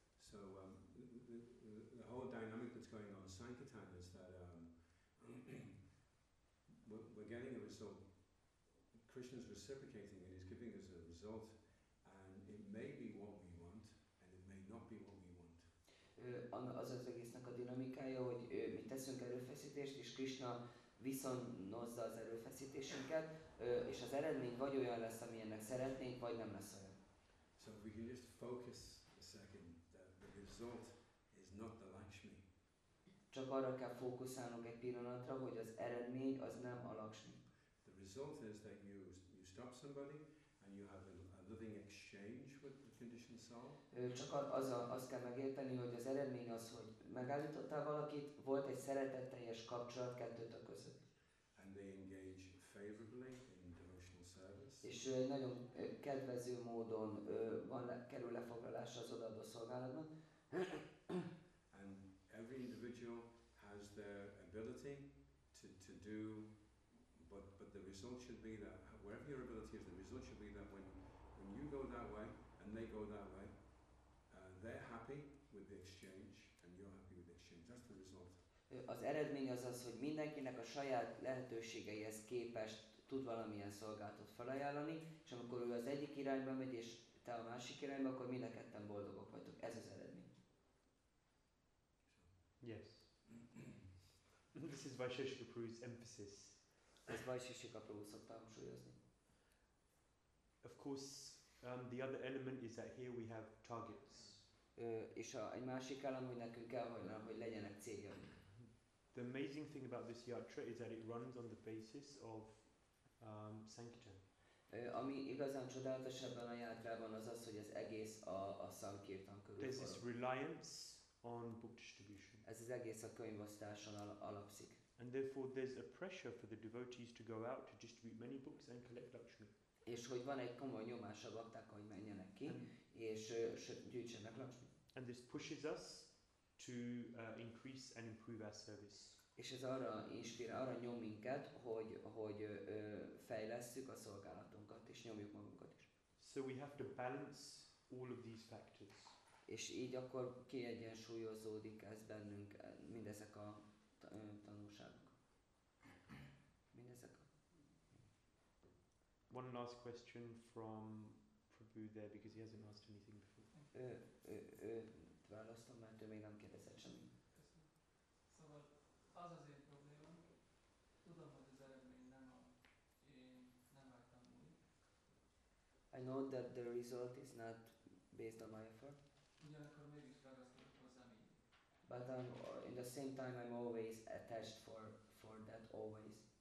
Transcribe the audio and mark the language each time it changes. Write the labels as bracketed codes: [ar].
[en] So the whole dynamic that's going on Sankirtan is that we're getting a result. Krishna's reciprocating and he's giving us a result and it may be what we want and it may not be what we want. [hu] Az az egésznek a dinamikája, hogy mi teszünk erőfeszítést és Krishna viszonozza az erőfeszítésünket, és az eredmény vagy olyan lesz, amilyennek szeretnénk, vagy nem lesz olyan. [en] So if we can just focus a second, that the result is not the Lakshmi. [hu] Csak arra kell fókuszálnunk egy pillanatra, hogy az eredmény az nem a Lakshmi. [en] The result is that you stop somebody, and you have a loving exchange with the conditioned soul. [hu] Csak az kell megérteni, hogy az eredmény az, hogy megállítottál valakit, volt egy szeretetteljes kapcsolat kettőtök között. [en] And they engage favorably in devotional service. [hu] És nagyon kedvező módon kerül lefoglalásra az odaadó szolgálatban. [en] And every individual has their ability to do. But the result should be that wherever your ability is, the result should be that when you go that way and they go that way, they're happy with the exchange and you're happy with the exchange. That's the result. [hu] Az eredmény az az, hogy mindenkinek a saját lehetőségeihez képest tud valamilyen szolgáltat felajánlani, és amikor ő az egyik irányba megy és te a másik irányba, akkor mind a ketten boldogok vagytok. Ez az eredmény. [en] Yes. This is Vaisheshika Prabhu's emphasis. [hu] Ez Vaisheshika Prabhu szokta hangsúlyozni. [en] Of course, the other element is that here we have targets. [hu] És egy másik elem, hogy nekünk kell, hogy legyenek céljaink. [en] The amazing thing about this yatra is that it runs on the basis of sankirtan. [hu] Ami igazán csodálatos ebben a yatrában az az, hogy ez egész a sankirtan körül. [en] There's this reliance on book distribution. [hu] Ez az egész a könyvosztáson alapszik. [en] And therefore there's a pressure for the devotees to go out to distribute many books and collect lakshmi. [hu] És hogy van egy komoly nyomás a baktákkal, hogy menjenek ki és gyűjtsenek lakshmi. [en] And this pushes us to increase and improve our service. [hu] És ez arra inspirál, arra nyom minket, hogy fejlesszük a szolgálatunkat és nyomjuk magunkat is. [en] So we have to balance all of these factors. [hu] És így akkor kiegyensúlyozódik ez bennünk mindezek a tanulságok. Mindezek. [en] One last question from Prabhu there, because he hasn't asked anything before. [hu] Választom, mert ő még nem kérdezett semmit. Köszönöm. Szóval az az én problémám, tudom, hogy az eredmény nem vártam úgy. [en] I know that the result is not based on my effort. [hu] Ugyanakkor mégis ragasztok hozzá, [en] But then in the same time I'm always attached for that always.